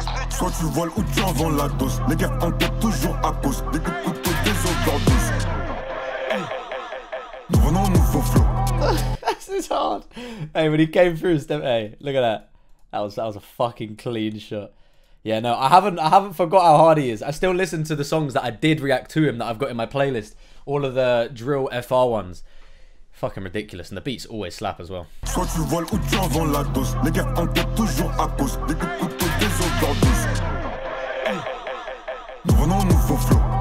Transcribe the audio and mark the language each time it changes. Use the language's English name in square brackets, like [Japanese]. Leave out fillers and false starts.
[French] Soit tu voles ou tu en vends la dose. Les gars en tête toujours à cause. Des coups de couteau, des overdoses. Nous venons, nous faisons flow. [English] This is hard. Hey, when he came through, step, hey, look at that. That was a fucking clean shot. Yeah, no, I haven't forgot how hard he is. I still listen to the songs that I did react to him that I've got in my playlist. All of the drill FR ones. Fucking ridiculous, and the beats always slap as well. [French] Soit tu voles ou tu en vends la dose. Les gars en tête toujours à cause. Des coups de couteau, des overdoses. Nous venons, nous faisons flow.